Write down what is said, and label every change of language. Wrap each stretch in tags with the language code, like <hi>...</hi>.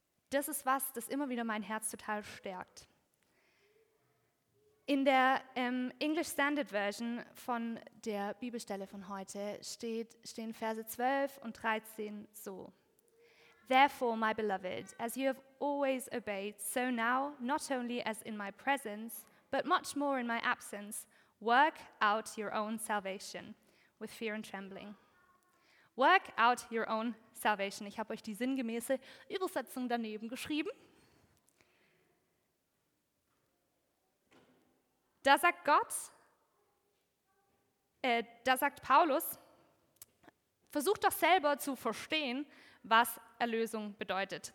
<de>Das ist was, das immer wieder mein Herz total stärkt. In der English Standard Version von der Bibelstelle von heute stehen Verse 12 und 13 so.</de> <en>Therefore, my beloved, as you have always obeyed, so now, not only as in my presence, but much more in my absence, work out your own salvation with fear and trembling. Work out your own salvation.</en> <de>Ich habe euch die sinngemäße Übersetzung daneben geschrieben. Da sagt Gott, da sagt Paulus, versucht doch selber zu verstehen, was Erlösung bedeutet.</de>